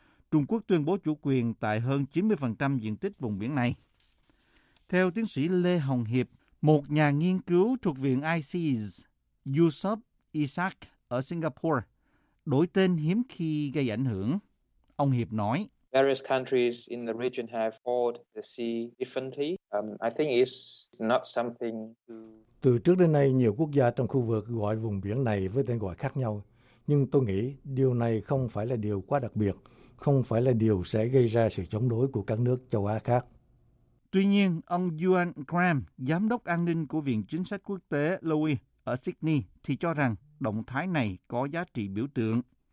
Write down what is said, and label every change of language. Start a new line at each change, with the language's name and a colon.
Vietnamese: Trung Quốc tuyên bố chủ quyền tại hơn 90% diện tích vùng biển này. Theo tiến sĩ Lê Hồng Hiệp, một nhà nghiên cứu thuộc Viện ICES, Yusuf Isaac ở Singapore, đổi tên hiếm khi gây ảnh hưởng. Ông Hiệp nói,
English: various countries in the region have called the sea differently. I think it's not something to...
Vietnamese: Từ trước đến nay, nhiều quốc gia trong khu vực gọi vùng biển này với tên gọi khác nhau. Nhưng tôi nghĩ điều này không phải là điều quá đặc biệt, không phải là điều sẽ gây ra sự chống đối của các nước châu Á khác. Tuy nhiên, ông Yuan Graham, Giám đốc An ninh của Viện Chính sách Quốc tế Lowy ở Sydney, thì cho rằng động thái này có giá trị biểu tượng.